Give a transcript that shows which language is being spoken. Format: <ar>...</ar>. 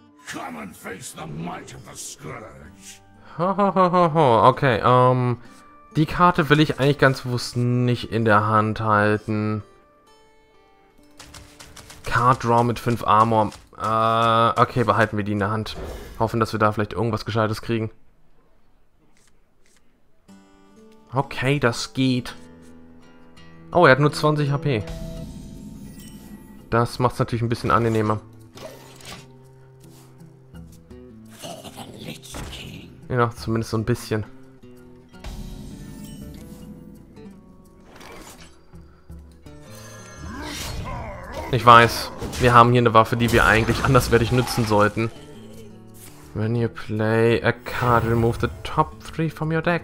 <en>Come and face the might of the Scourge.</en> <de>Okay, die Karte will ich eigentlich ganz bewusst nicht in der Hand halten. Card Draw mit 5 Armor. Okay, behalten wir die in der Hand. Hoffen, dass wir da vielleicht irgendwas Gescheites kriegen. Okay, das geht. Oh, er hat nur 20 HP. Das macht es natürlich ein bisschen angenehmer. Ja, zumindest so ein bisschen. Ich weiß, wir haben hier eine Waffe, die wir eigentlich anderswertig nutzen sollten.</de> <en>When you play a card, remove the top 3 from your deck.</en>